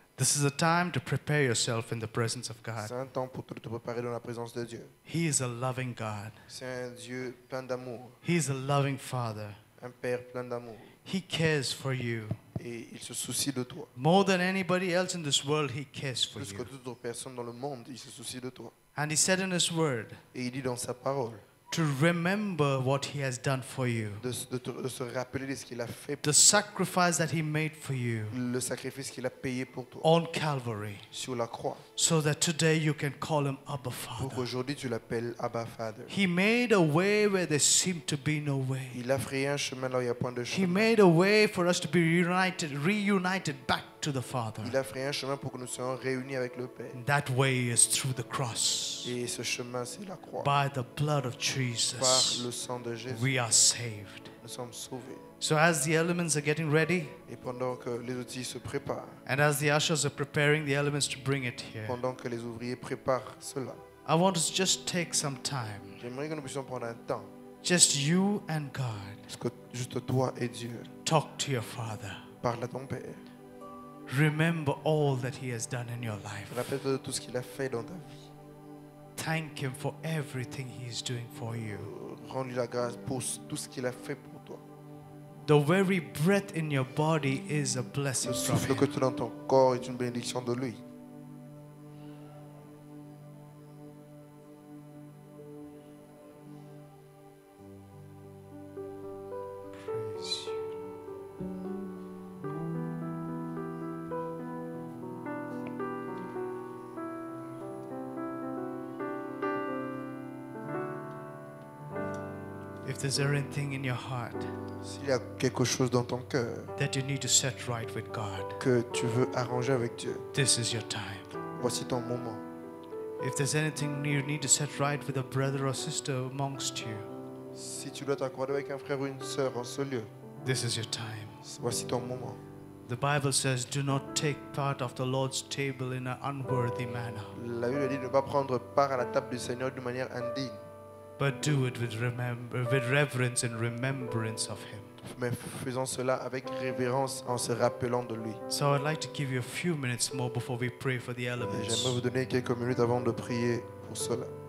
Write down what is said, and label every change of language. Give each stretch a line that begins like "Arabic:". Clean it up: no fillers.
English: This is a time to prepare yourself in the presence of God.
French: C'est un temps pour te préparer dans la présence de Dieu.
English: He is a loving God.
French: C'est un Dieu plein d'amour.
English: He is a loving Father.
French: Un Père plein d'amour.
English: He cares for you.
French: Et il se soucie de toi.
English: More than anybody else in this world, he cares for you.
French: Plus que toute autre personne dans le monde, il se soucie de toi.
English: And he said in his word,
French: et il dit dans sa parole,
English: to remember what he has done for you.
French: De se rappeler de ce qu'il a fait.
English: The sacrifice that he made for you.
French: Le sacrifice qu'il a payé pour toi.
English: On Calvary.
French: Sur la croix.
English: So that today you can call him Abba Father.
French: Pour aujourd'hui tu l'appelles Abba Father.
English: He made a way where there seemed to be no way.
French: Il a frayé un chemin là où il y a point de chemin.
English: He made a way for us to be reunited back to the Father.
French: Il a frayé un chemin pour que nous soyons réunis avec le Père.
English: That way is through the cross.
French: Et ce chemin c'est la croix.
English: By the blood of Jesus.
French: Par le sang de Jésus.
English: We are saved.
French: Nous sommes sauvés.
English: So as the elements are getting ready,
French: et pendant que les outils se préparent,
English: and as the ushers are preparing the elements to bring it here,
French: pendant que les ouvriers préparent cela,
English: I want us to just take some time.
French: J'aimerais que nous puissions prendre un temps.
English: Just you and God.
French: Juste toi et Dieu.
English: Talk to your Father.
French: Parle à ton Père.
English: Remember all that he has done in your life.
French: Rappelle-toi de tout ce qu'il a fait dans ta vie.
English: Thank him for everything he is doing for you.
French: Rends-lui la grâce pour tout ce qu'il a fait pour toi.
English: The very breath in your body is a blessing from him.
French: Le souffle que tu as dans ton corps est une bénédiction de lui.
English: Is there anything in your heart
French: s'il y a quelque chose dans ton cœur
English: that you need to set right with God,
French: que tu veux arranger avec Dieu,
English: this is your time.
French: Voici ton moment.
English: If there's anything you need to set right with a brother or sister amongst you,
French: si tu dois t'accorder avec un frère ou une sœur en ce lieu,
English: this is your time.
French: Voici ton moment.
English: The Bible says, do not take part of the Lord's table in an unworthy manner.
French: La Bible dit ne pas prendre part à la table du Seigneur d'une manière indigne.
English: But do it with reverence and remembrance of him.
French: Mais faisons cela avec révérence en se rappelant de lui.
English: So I'd like to give you a few minutes more before we pray for the elements.
French: J'aimerais vous donner quelques minutes avant de prier pour cela.